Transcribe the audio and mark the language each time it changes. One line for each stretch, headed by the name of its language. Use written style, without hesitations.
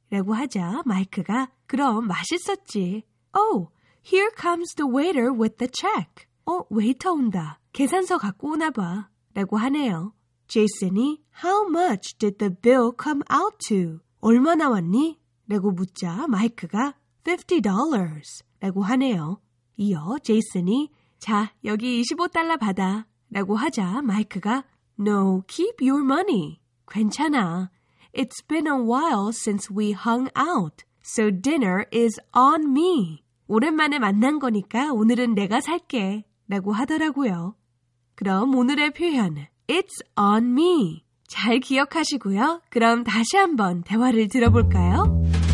Korean: 라고 하자 마이크가 그럼 맛있었지.
English: Oh, here comes the waiter with the check.
Korean: 어, 웨이터 온다. 계산서 갖고 오나 봐. 라고 하네요.
English: Jason이 How much did the bill come out to?
Korean: 얼마 나왔니? 라고 묻자 마이크가 $50 라고 하네요. 이어 Jason이 자, 여기 $25 받아 라고 하자 마이크가
English: No, keep your money.
Korean: 괜찮아.
English: It's been a while since we hung out. So dinner is on me.
Korean: 오랜만에 만난 거니까 오늘은 내가 살게 라고 하더라고요. 그럼 오늘의 표현
English: It's on me.
Korean: 잘 기억하시고요. 그럼 다시 한번 대화를 들어볼까요?